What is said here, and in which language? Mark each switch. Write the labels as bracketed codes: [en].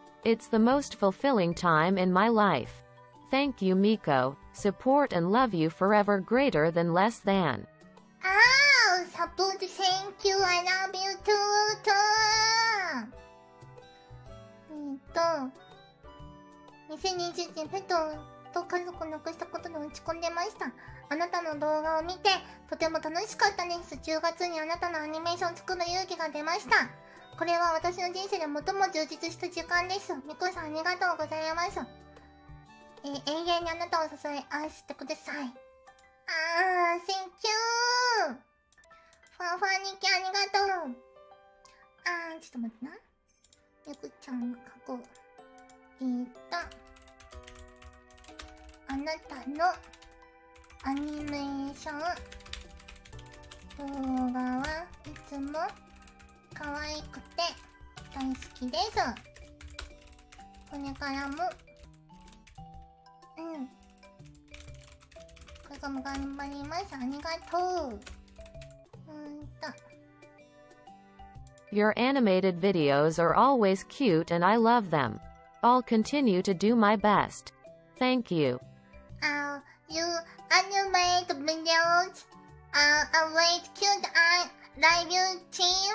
[en] It's the most fulfilling time in my life. Thank you, Miko. Support and love you forever, greater than less than. サポート Thank you, I love you too, too. [ja] 2020年ペットと家族を亡くしたことで落ち込んでました。あなたの動画を見てとても楽しかったです。10月にあなたのアニメーションを作る勇気が出ました。これは私の人生で最も充実した時間です。みこさんありがとうございます。永遠にあなたを支え愛してください。 [en] あー Thank you! [ja] ファンファンニキありがとう。あーちょっと待ってな、ゆくちゃんを書こう。あなたのアニメーション動画はいつも可愛くて大好きです。これからもこれからも頑張ります。ありがとう。 [en] Your animated videos are always cute and I love them. I'll continue to do my best. Thank you. Your animated videos are always cute and I love you team.